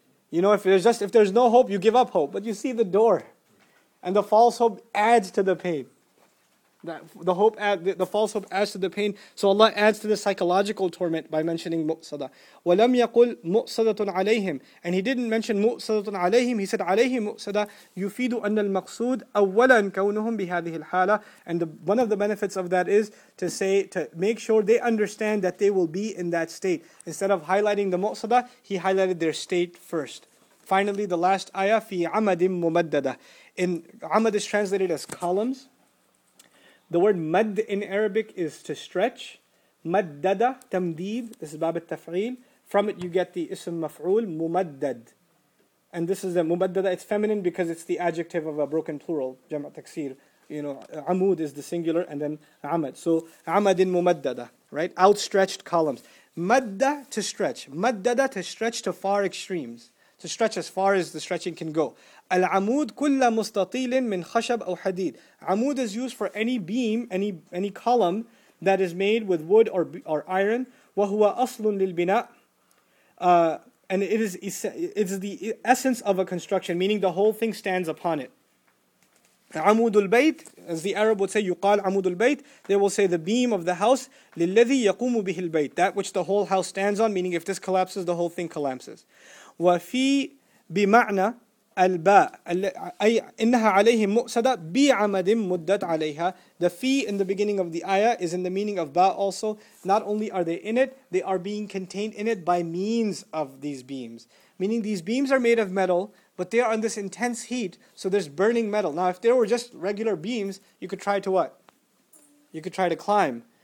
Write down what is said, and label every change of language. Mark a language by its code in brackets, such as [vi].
[en] You know, if there's no hope, you give up hope. But you see the door, and the false hope adds to the pain. The false hope adds to the pain. So Allah adds to the psychological torment by mentioning مُؤْصَدَ. [ar] وَلَمْ يَقُلْ مُؤْصَدَةٌ عَلَيْهِمْ. [en] And he didn't mention [ar] مُؤْصَدَةٌ عَلَيْهِمْ. He said عَلَيْهِمْ مُؤْصَدَ يُفِيدُ أَنَّ الْمَقْصُودُ أَوَّلًا كَوْنُهُمْ بِهَذِهِ الْحَالَةِ. [en] And one of the benefits of that is to say, to make sure they understand that they will be in that state. Instead of highlighting the مُؤْصَدَ, he highlighted their state first. Finally, the last ayah, [ar] فِي عَمَدٍ مُمَدَّدَةٍ. [en] In عَمَد is translated as columns. The word mad in Arabic is to stretch. Maddada, tamdeed, this is bab al-taf'il. From it you get the ism maf'ul, mumaddad. And this is the mumaddada, it's feminine because it's the adjective of a broken plural, jama' taksir. You know, amud is the singular and then amad. So, amadin mumaddada, right? Outstretched columns. Madda, to stretch. Maddada, to stretch to far extremes. To stretch as far as the stretching can go. [ar] العمود كل مستطيل من خشب أو حديد. [en] عمود is used for any beam, any column that is made with wood or iron. [ar] وهو أصل للبناء. [en] And it is the essence of a construction, meaning the whole thing stands upon it. [ar] عمود البيت, [en] as the Arab would say, [ar] يقال عمود البيت. [en] They will say the beam of the house. [ar] للذي يقوم به البيت, [en] that which the whole house stands on, meaning if this collapses, the whole thing collapses. [ar] وفي بمعنى الباء أي إنها عليهم مؤسدة بعمد مدت عليها. [en] The fi in the beginning of the ayah is in the meaning of ba also. Not only are they in it, they are being contained in it by means of these beams. Meaning these beams are made of metal, but they are in this intense heat, so there's burning metal. Now if there were just regular beams, you could try to what? You could try to climb.